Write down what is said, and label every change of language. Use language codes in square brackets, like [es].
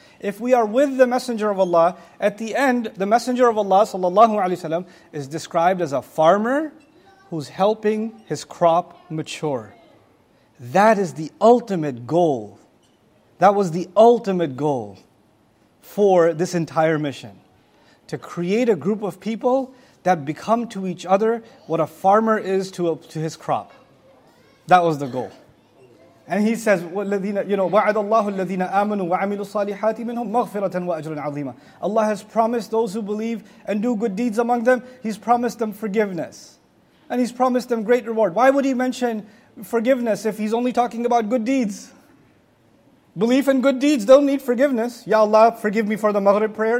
[en] If we are with the Messenger of Allah, at the end, the Messenger of Allah, sallallahu alayhi wa sallam, is described as a farmer who's helping his crop mature. That is the ultimate goal. That was the ultimate goal for this entire mission. To create a group of people that become to each other what a farmer is to his crop. That was the goal. And he says, you know, [ar] وَعَدَ اللَّهُ الَّذِينَ آمَنُوا وَعَمِلُوا الصَّالِحَاتِ مِنْهُمْ مَغْفِرَةً وَأَجْرٌ عَظِيمًا. [en] Allah has promised those who believe and do good deeds among them, He's promised them forgiveness. And He's promised them great reward. Why would He mention forgiveness if He's only talking about good deeds? Belief and good deeds don't need forgiveness. Ya Allah, forgive me for the Maghrib prayer.